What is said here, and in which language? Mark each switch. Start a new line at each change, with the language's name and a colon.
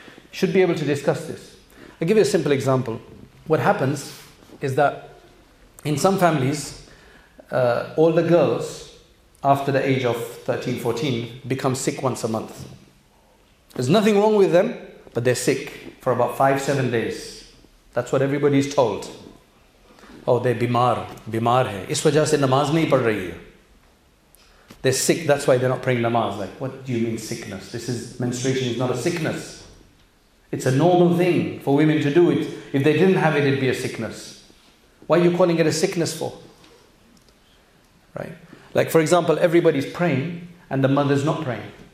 English: Should be able to discuss this. I'll give you a simple example. What happens is that in some families, all the girls after the age of 13, 14 become sick once a month. There's nothing wrong with them, but they're sick for about 5-7 days. That's what everybody's told. Oh, they're
Urdu: بیمار ہے. اس وجہ سے نماز نہیں پڑھ رہی ہے۔
English: They're sick, that's why they're not praying namaz. Like, what do you mean sickness? This is, menstruation is not a sickness. It's a normal thing for women to do it. If they didn't have it, it'd be a sickness. Why are you calling it a sickness for? Right? Like, for example, everybody's praying and the mother's not praying.